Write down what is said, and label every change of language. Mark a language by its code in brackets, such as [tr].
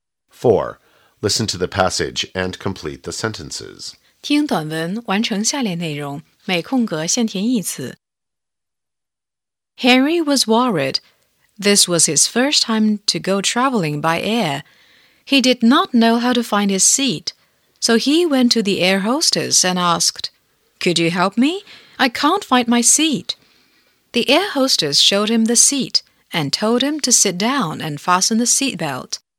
[en] 4. Listen to the passage and complete the sentences. [zh] 听短文，完成下列内容，每空格先填一词。 [en] Harry was worried. This was his first time to go traveling by air. He did not know how to find his seat. So he went to the air hostess and asked, Could you help me? I can't find my seat. The air hostess showed him the seat and told him to sit down and fasten the seatbelt.